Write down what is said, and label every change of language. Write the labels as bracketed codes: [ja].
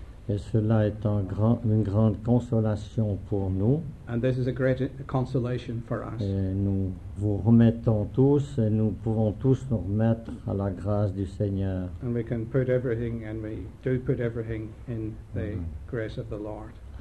[fr] Et cela est une grande consolation pour nous. [en] And this is a great consolation for us. [fr] Et nous vous remettons tous, et nous pouvons tous nous remettre à la grâce du Seigneur. [en] And we can put everything, and we do put everything in the grace of the Lord.